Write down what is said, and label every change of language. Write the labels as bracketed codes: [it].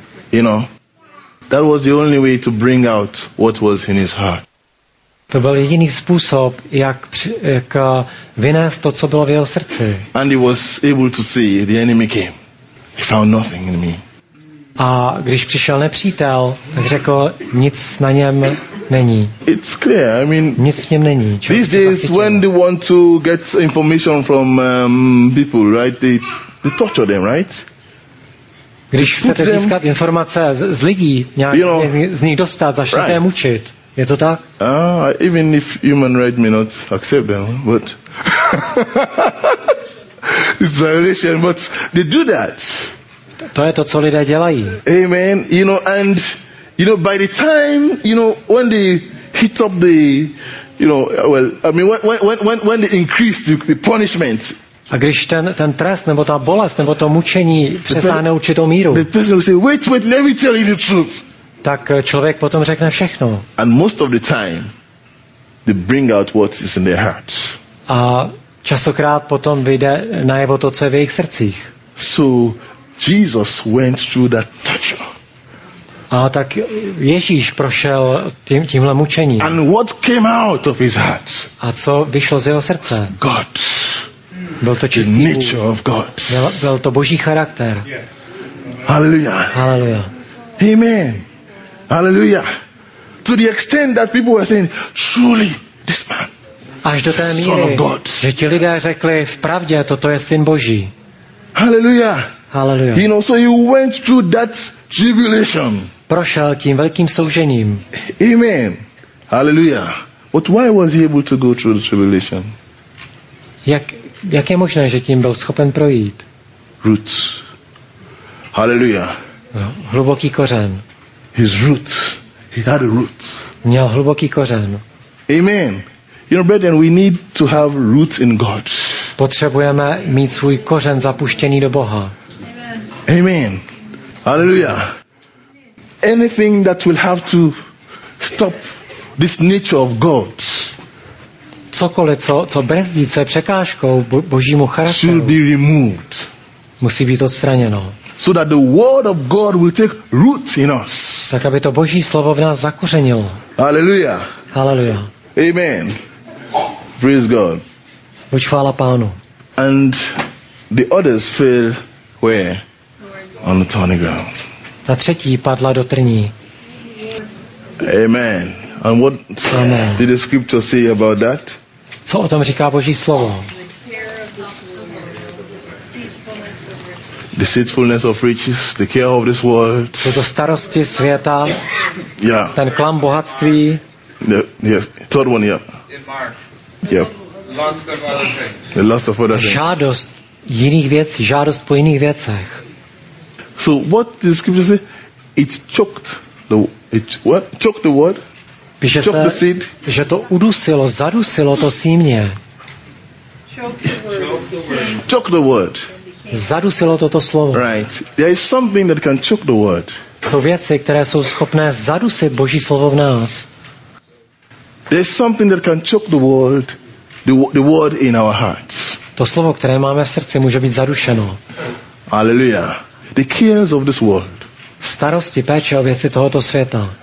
[en] You know, that was the only way to bring out what was in his heart. [cs] To byl jediný způsob, jak vynést to, co bylo v jeho srdci. [en] And he was able to see the enemy came. He found nothing in me. [cs] A když přišel nepřítel, tak řekl, nic na něm není. [en] It's clear. I mean, [cs] nic v něm není. [en] This is when they want to get information from people, right? They torture them, right? [cs] Když chcete získat informace z lidí, nějak, [en] you know, [cs] z nich dostat, začnete right. Je mučit. Je to tak? [en] Even if human rights may not accept them, but it's a relation, but they do that. [cs] To je to, co lidé dělají. [en] Amen. You know, and you know, by the time, you know, when they hit up the, you know, well, I mean, when they increase the punishment. [cs] A když ten trest nebo ta bolest nebo to mučení přesáhne určitou míru. [en] The person will say, wait, let me tell you the truth. [cs] tak člověk potom řekne všechno. [en] And most of the time they bring out what is in their hearts. [cs] A častokrát potom vyjde najevo to, co je v jejich srdcích. [en] So Jesus went through that torture. [cs] A tak Ježíš prošel tímhle mučením. [en] And what came out of his heart? [cs] A co vyšlo z jeho srdce? [en] God. [cs] Byl to čistý Bůh. [en] The nature of God. [cs] Byl to Boží charakter. [en] Hallelujah. Hallelujah. Amen. Hallelujah. To the extent that people were saying, truly, this man. [cs] Až do té míry, že ti lidé řekli, vpravdě, toto je syn Boží. [en] Hallelujah. Hallelujah. You know, so he went through that tribulation. [cs] Prošel tím velkým soužením. [en] Amen. Hallelujah. But why was he able to go through the tribulation? [cs] Jak je možné, že tím byl schopen projít? [en] Roots. Hallelujah. [cs] Hluboký kořen. [en] His roots. He had a root. [cs] Měl hluboký kořen. [en] Amen. You know, brethren, we need to have roots in God. [cs] Potřebujeme mít svůj kořen zapuštěný do Boha. [en] Amen. Hallelujah. Anything that will have to stop this nature of God. [cs] Cokoliv, co brzdí, co je překážkou Božímu charakteru. [en] Should be removed. [cs] Musí být odstraněno. [en] So that the word of God will take root in us. [cs] Tak aby to Boží slovo v nás zakořenilo. [en] Hallelujah. Hallelujah. Amen. Praise God. [cs] Buď chvála Pánu. [en] And the others fell where? On the thorny ground. [cs] Ta třetí padla do trní. [en] Amen. And what Amen. Did the scripture say about that? [cs] Co o tom říká Boží slovo? [en] Deceitfulness of riches, the care of this world. [cs] Toto starosti světa. [en] Yeah. [cs] Ten klam bohatství. [en] Yeah. Yes. Third one, yeah. Yep. The lust of other things. [cs] Žádost jiných věcí, žádost po jiných věcech. [en] So what the scripture say? It choked the word? Choked the seed? [cs] Že to udusilo, zadusilo to símě. [en] Choked the word. [cs] Zadusilo toto slovo. [en] Right. There is something that can choke the word. [cs] Jsou věci, které jsou schopné zadusit Boží slovo v nás. [en] There is something that can choke the word in our hearts. [cs] To slovo, které máme v srdci, může být zadušeno. [en] Hallelujah. The cares of this world. [cs] Starosti, péče o věci tohoto světa.